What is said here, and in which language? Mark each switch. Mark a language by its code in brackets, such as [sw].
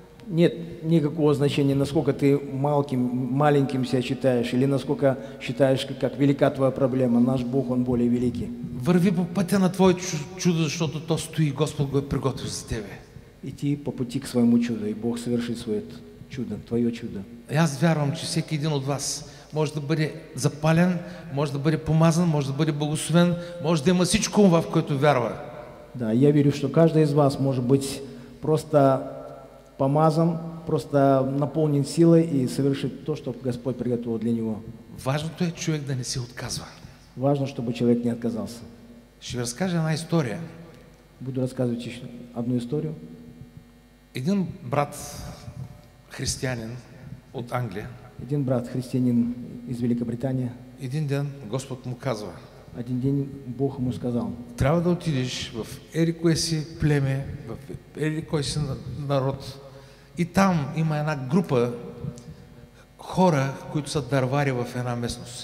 [ru] Нет никакого значения, насколько ты маленьким себя считаешь, или насколько считаешь, как велика твоя проблема. Наш Бог, Он более великий. [bg] Върви по пътя на твое чудо, защото то стои, Господь го е приготвил за тебе. [ru] Иди по пути к своему чуду, и Бог совершит свое чудо, твое чудо. [bg] Я вярвам, че всеки един от вас може да бъде запален, може да бъде помазан, може да бъде благословен, може да има всичко в което вярва. [ru] Да, я верю, что каждый из вас может быть просто помазан, просто наполнен силой и совершит то, что Господь приготовил для него. [bg] Важно, то, человек да не се отказва. [ru] Важно, чтобы человек не отказался. [bg] Ще ви разкажа една история. [ru] Буду рассказывать еще одну историю. [bg] Един брат християнин от Англия. Един брат християнин из Великобритания. Един ден Господ му казва. Един ден Бог му сказал. Трябва да отидеш в ерикое си племе, в ерикое си народ. И там има една група хора, които са дървари в една местност.